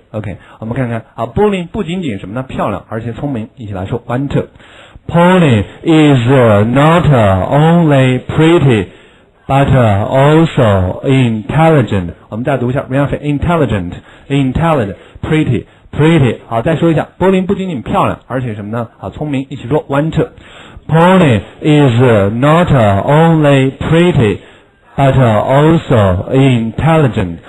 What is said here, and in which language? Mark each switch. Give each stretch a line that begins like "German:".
Chinese: OK， 我们看看啊，波琳不仅仅什么呢？漂亮，而且聪明。一起来说 ， one two。
English: Pony is not only pretty, but also intelligent. 我们再读一下，Renfrew intelligent, intelligent, pretty, pretty.
Chinese: 好，再说一下，波琳不仅仅漂亮，而且什么呢？好，聪明。一起说 ， one two.
English: Pony is not only pretty, but also intelligent.